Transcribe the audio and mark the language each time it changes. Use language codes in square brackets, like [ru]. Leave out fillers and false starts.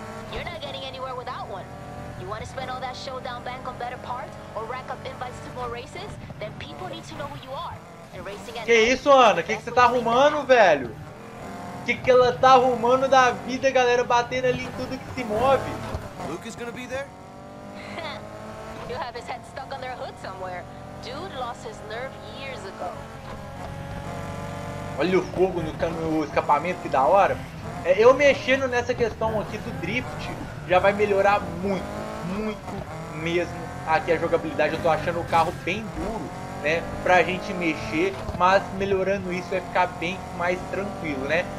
[en] You're not getting anywhere without one. You want to spend all that showdown bank on better parts or rack up invites to more races? Then people need to know who you are. [pt] Que isso, Ana? Que você tá arrumando, velho? Que ela tá arrumando da vida, galera, batendo ali em tudo que se move. [en] Lucas gonna be there? You have his head stuck on their hood somewhere. Dude lost his nerve years ago. [pt] Olha o fogo no escapamento, que da hora. É, eu mexendo nessa questão aqui do drift, já vai melhorar muito, muito mesmo aqui a jogabilidade. Eu tô achando o carro bem duro, né, pra gente mexer, mas melhorando isso vai ficar bem mais tranquilo, né?